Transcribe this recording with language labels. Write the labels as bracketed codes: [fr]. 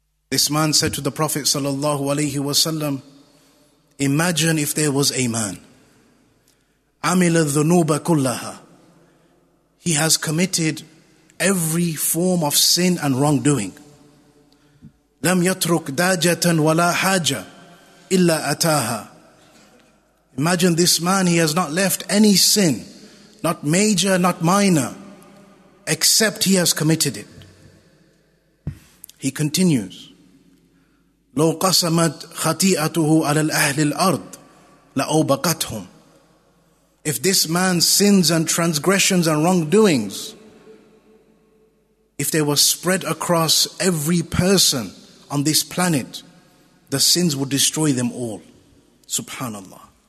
[en] This man said to the Prophet sallallahu alaihi wasallam, imagine if there was a man, [ar] amila dhunuba kullaha, [en] he has committed every form of sin and wrongdoing, [ar] lam yatruk dajatan wala haja illa ataha. [en] Imagine this man, he has not left any sin, not major, not minor, except he has committed it. He continues, [ar] لو قسمت خطيئته على الأهل الأرض لأوبقتهم. [en] If this man's sins and transgressions and wrongdoings, if they were spread across every person on this planet, the sins would destroy them all. Subhanallah.